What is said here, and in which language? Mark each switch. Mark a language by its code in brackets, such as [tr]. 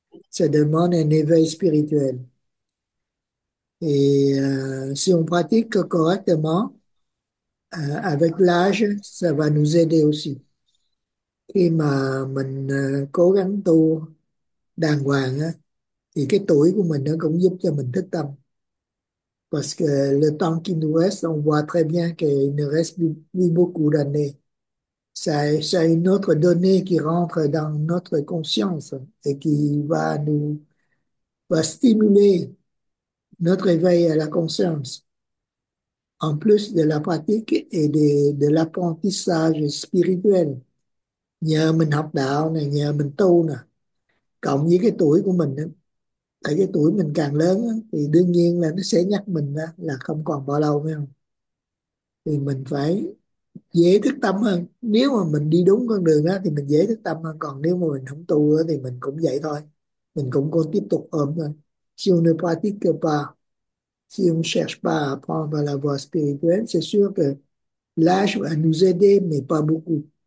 [fr] C'est le bon éveil spirituel. Et si on pratique correctement, avec l'âge, ça va nous aider aussi. [vi] Khi mà mình cố gắng tu đàng hoàng, thì cái tuổi của mình nó cũng giúp cho mình thức tâm. [fr] Parce que le temps qui nous reste, on voit très bien qu'il ne reste plus beaucoup d'années. C'est une autre donnée qui rentre dans notre conscience et qui va stimuler notre éveil à la conscience, en plus de la pratique et de l'apprentissage spirituel, [vi] nhờ mình học đạo này, nhờ mình tu nè, cộng với cái tuổi của mình, tại cái tuổi mình càng lớn thì đương nhiên là nó sẽ nhắc mình là không còn bao lâu, phải không? Thì mình phải dễ thức tâm hơn. Nếu mà mình đi đúng con đường đó thì mình dễ thức tâm hơn, còn nếu mà mình không tu thì mình cũng vậy thôi, mình cũng có tiếp tục ôm thôi. [fr] Si on ne pratique pas, si on ne cherche pas à apprendre la voie spirituelle, c'est sûr que l'âge va nous aider, mais pas beaucoup.